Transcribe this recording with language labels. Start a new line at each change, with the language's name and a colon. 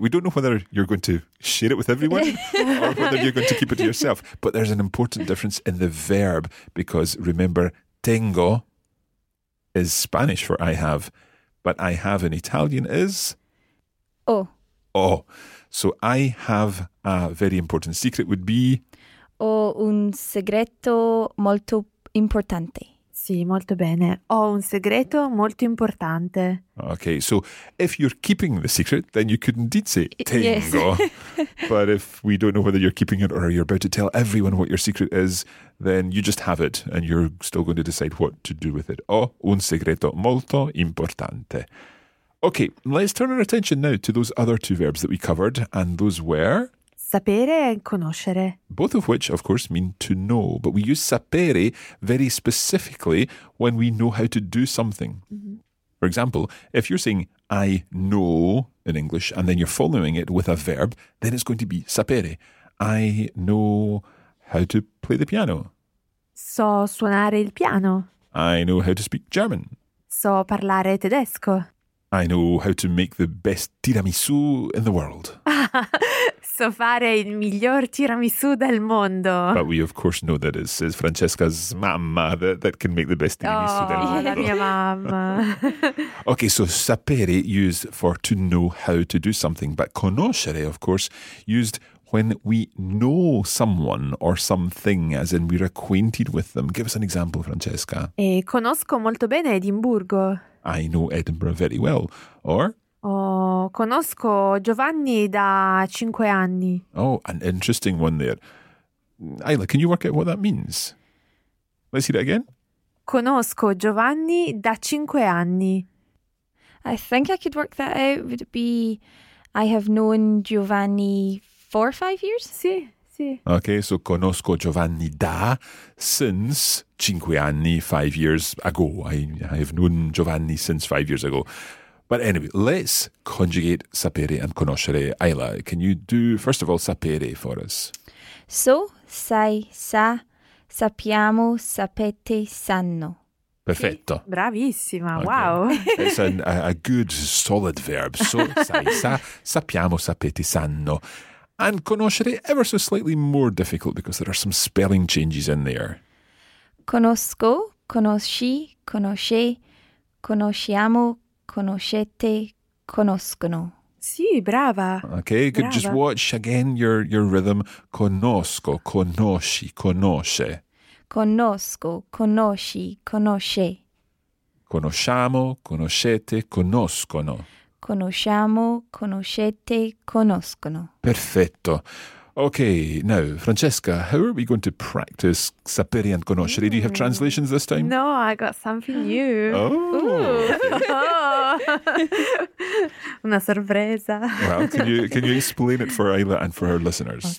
English: We don't know whether you're going to share it with everyone or whether you're going to keep it to yourself. But there's an important difference in the verb because remember, tengo is Spanish for I have, but I have in Italian is? Oh. Oh. So I have a very important secret would be?
Italian: Ho un segreto molto importante. Sì, molto bene. Ho un segreto molto importante.
English: Okay, so if you're keeping the secret, then you could indeed say tengo. Yes. But if we don't know whether you're keeping it or you're about to tell everyone what your secret is, then you just have it and you're still going to decide what to do with it.
Italian: Ho un segreto molto importante.
English: Okay, let's turn our attention now to those other two verbs that we covered, and those were sapere and conoscere. Both of which, of course, mean to know, but we use sapere very specifically when we know how to do something. Mm-hmm. For example, if you're saying I know in English and then you're following it with a verb, then it's going to be sapere. I know how to play the piano.
Italian: So suonare il piano.
English: I know how to speak German.
Italian: So parlare tedesco.
English: I know how to make the best tiramisu in the world.
Italian: So fare il miglior tiramisù del mondo.
English: But we of course know that it's Francesca's mamma that can make the best
Italian: tiramisù del mondo. Oh, la mia mamma.
English: Okay, so sapere used for to know how to do something, but conoscere, of course, used when we know someone or something, as in we're acquainted with them. Give us an example, Francesca.
Italian: Conosco molto bene Edimburgo.
English: I know Edinburgh very well. Or?
Italian: Conosco Giovanni da 5 anni.
English: Oh, an interesting one there. Ayla, can you work out what that means? Let's hear it again.
Italian: Conosco Giovanni da 5 anni.
English: I think I could work that out. Would it be, I have known Giovanni 4 or 5 years?
Italian: Sì, sì.
English: Okay, so
Italian: conosco Giovanni da,
English: since
Italian: 5 anni,
English: 5 years ago. I have known Giovanni since 5 years ago. But anyway, let's conjugate sapere and conoscere. Ayla, can you do, first of all, sapere for us?
Italian: So, sai, sa, sappiamo, sapete, sanno. Perfetto. Sì, bravissima,
English: okay. Wow. It's a good, solid verb.
Italian: So, sai, sa, sappiamo, sapete, sanno.
English: And conoscere, ever so slightly more difficult because there are some spelling changes in there.
Italian: Conosco, conosci, conosce, conosciamo, conoscete, conoscono. Sì, brava.
English: Okay, good. Brava. Just watch again your rhythm.
Italian: Conosco, conosci, conosce. Conosco, conosci, conosce. Conosciamo, conoscete, conoscono. Conosciamo, conoscete, conoscono. Perfetto.
English: Okay, now, Francesca, how are we going to practice sapere and conoscere? Mm. Do you have translations this time? No, I got something new. Oh. Ooh.
Italian: Una sorpresa.
English: Well, can you explain it for Ayla and for our listeners?